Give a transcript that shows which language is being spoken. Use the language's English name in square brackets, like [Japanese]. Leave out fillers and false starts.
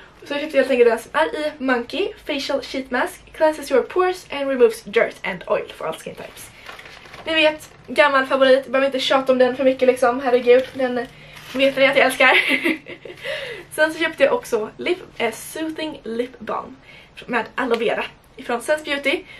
[Swedish] Så jag köpte helt enkelt den som är i Monkey Facial Sheet Mask. [English] Cleanses your pores and removes dirt and oil for all skin types. [Swedish] Ni vet, gammal favorit. Behöver inte tjata om den för mycket liksom, herregud. Den vet ni att jag älskar. Sen så köpte jag också Soothing Lip Balm med aloe vera från Sense Beauty.